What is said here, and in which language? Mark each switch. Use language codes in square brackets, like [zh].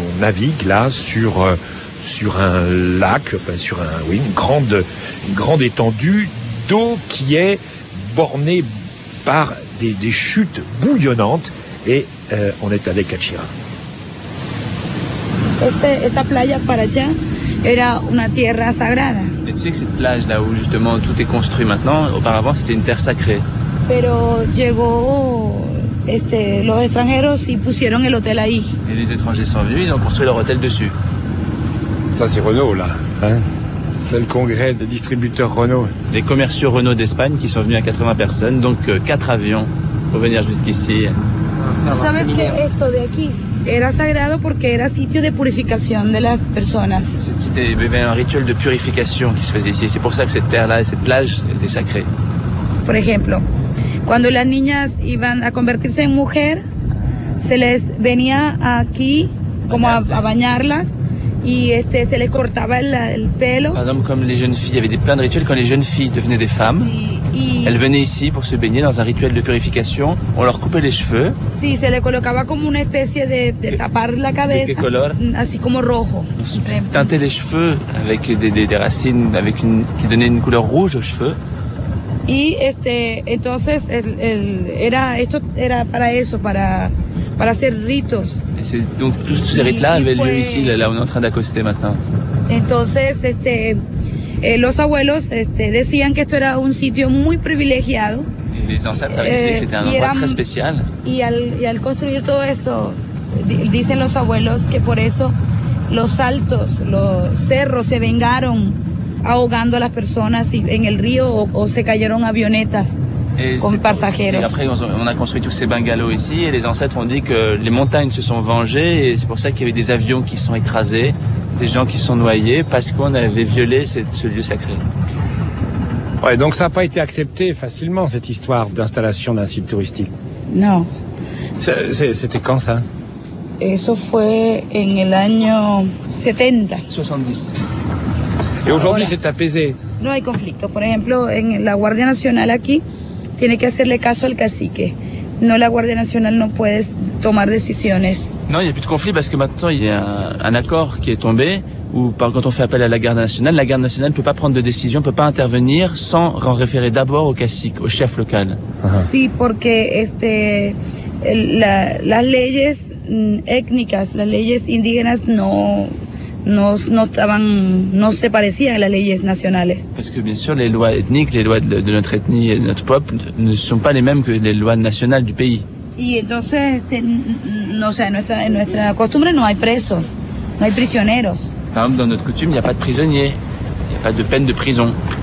[fr] On navigue là sur un lac, enfin, une grande étendue d'eau qui est bornée par des chutes bouillonnantes et on est allé Cachira. [es] Esta playa para allá era una tierra sagrada. [fr] Et tu sais que cette plage là où justement tout est construit maintenant, auparavant c'était une terre sacrée. [es] Pero llegó los extranjeros y pusieron el hotel ahí. [fr] Et les étrangers sont venus, ils ont construit leur hôtel dessus. Ça c'est Renault là, hein? C'est le congrès des distributeurs Renault. Les commerciaux Renault d'Espagne qui sont venus à 80 personnes, donc 4 avions pour venir jusqu'ici. [es] Ah. ¿Sabes qué? Esto de aquí era sagrado porque era sitio de purificación de las personas. [fr] C'était un rituel de purification qui se faisait ici. C'est pour ça que cette terre-là, cette plage, était sacrée. [es] Por ejemplo, cuando las niñas iban a convertirse en mujer, se les venía aquí como a bañarlas y se les cortaba el pelo. [fr] Par exemple, comme les jeunes filles, il y avait des plein de rituels quand les jeunes filles devenaient des femmes. Elles venaient ici pour se baigner dans un rituel de purification. On leur coupait les cheveux. [es] Sí, se le colocaba como una especie de tapar la cabeza. [fr] De quel color? [es] Así como rojo. [fr] Teintaient les cheveux avec des racines avec une, qui donnaient une couleur rouge aux cheveux. [es] Y entonces era para eso, para hacer ritos. [fr] Et c'est, donc tous ces rites-là avaient lieu ici, là on est en train d'accoster maintenant. [es] Entonces, los abuelos decían que esto era un sitio muy privilegiado. [fr] Les ancêtres avaient dit que c'était un endroit très spécial. [es] Y al construir todo esto, dicen los abuelos que por eso los altos, los cerros se vengaron ahogando a las personas en el río o se cayeron avionetas con pasajeros. [fr] Après, on a construit tous ces bungalows ici et les ancêtres ont dit que les montagnes se sont vengées et c'est pour ça qu'il y avait des avions qui sont écrasés. Des gens qui sont noyés parce qu'on avait violé ce lieu sacré. Ouais, donc ça n'a pas été accepté facilement, cette histoire d'installation d'un site touristique. Non. C'était quand, ça? [es] Eso fue en el año 70. 70. [fr] Et aujourd'hui, ahora, c'est apaisé. [es] No hay conflicto. Por ejemplo, en la Guardia Nacional aquí, tiene que hacerle caso al cacique. No, la Guardia Nacional no puede tomar decisiones. [fr] Non, il n'y a plus de conflit parce que maintenant il y a un accord qui est tombé où quand on fait appel à la Garde Nationale ne peut pas prendre de décision, ne peut pas intervenir sans en référer d'abord au cacique, au chef local. Uh-huh. [es] Sí, porque las leyes étniques, las leyes indígenas no se parecían a las leyes nacionales. [fr] Parce que bien sûr les lois ethniques, les lois de notre ethnie et de notre peuple ne sont pas les mêmes que les lois nationales du pays. [es] Y entonces en nuestra costumbre no hay presos, no hay prisioneros. [fr] Par exemple, dans notre coutume, il n'y a pas de prisonniers, il n'y a pas de peine de prison.